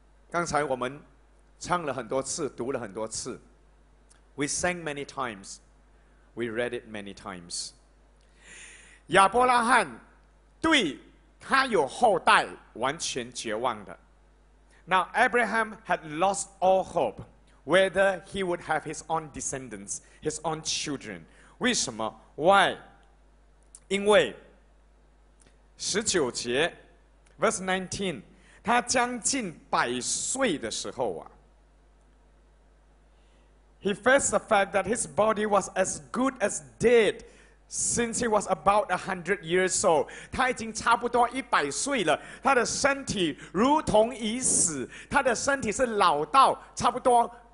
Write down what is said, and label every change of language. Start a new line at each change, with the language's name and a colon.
Chinese: 刚才我们唱了很多次，读了很多次。
English: We sang many times, we read it many times.
Chinese: 亚伯拉罕对他有后代完全绝望的。
English: Now Abraham had lost all hope. Whether he would have his own descendants, his own children.
Chinese: 为什么 Why? 因为19节 verse 19, 他将近百岁的时候啊
English: He faced the fact that his body was as good as dead since he was about 100 years old.
Chinese: 他已经差不多100岁了，他的身体如同已死，他的身体是老到差不多